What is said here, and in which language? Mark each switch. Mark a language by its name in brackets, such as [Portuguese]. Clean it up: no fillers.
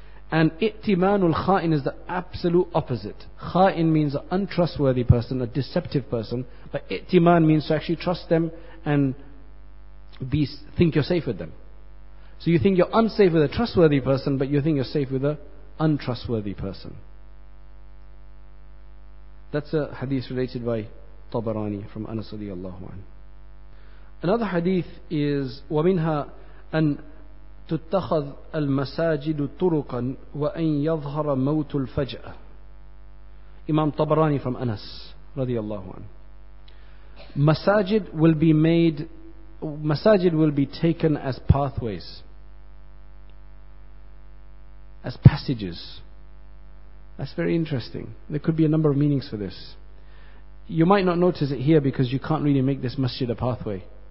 [English] And ittimanul kha'in is the absolute opposite. Kha'in means an untrustworthy person, a deceptive person. But ittiman means to actually trust them and be, think you're safe with them. So you think you're unsafe with a trustworthy person, but you think you're safe with an untrustworthy person. That's a hadith related by Tabarani from Anas radiallahu anhu. Another hadith is [Arabic] وَمِنْهَا أَن تُتَّخَذْ الْمَسَاجِدُ طُرُقًا وَأَن يَظْهَرَ مَوْتُ الْفَجْأَ. [English] Imam Tabarani from Anas radiallahu anhu. Masajid will be made, masajid will be taken as pathways, as passages. That's very interesting. There could be a number of meanings for this. You might not notice it here because you can't really make this masjid a pathway.